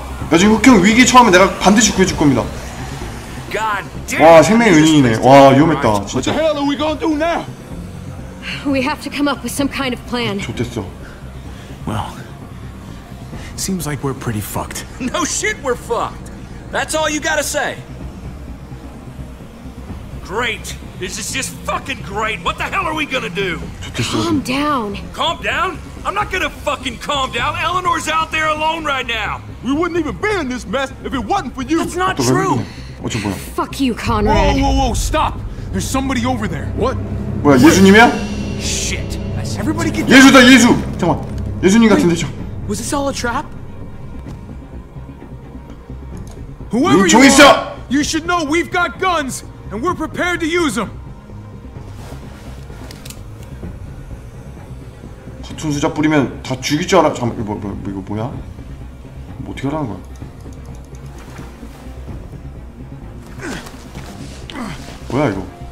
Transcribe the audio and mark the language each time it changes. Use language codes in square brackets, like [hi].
[ko] 나중에 흑형 위기 처음에 내가 반드시 구해줄 겁니다. 와, 생명의 은인이네. 와, 위험했다. 진짜. [en] What the hell are we gonna do now? We have to come up with some kind of plan. [ko] 좋겠어. [en] Well, seems like we're pretty fucked. No shit, we're fucked. That's all you gotta say. Great. This is just fucking great. What the hell are we gonna do? Calm down. Calm down? I'm not gonna fucking calm down. Eleanor's out there alone right now. We wouldn't even be in this mess if it wasn't for you. That's not true. [ko] 어쩐 거야? [en] Fuck you, Conrad. Whoa, whoa, whoa, stop. There's somebody over there. What? [ko] 뭐야, 예수님이야? [en] Shit. Everybody get. [ko] 예수다, 예수. 잠깐만. 예수님 같은데 저. [en] Was this all a trap? Whoever you are, you should know we've got guns and we're prepared to use them. [ko] 같은 수작 뿌리면 다 죽일 줄 알아. 잠깐, 이거 뭐야? 뭐 어떻게 하라는 거야? 뭐야 이거?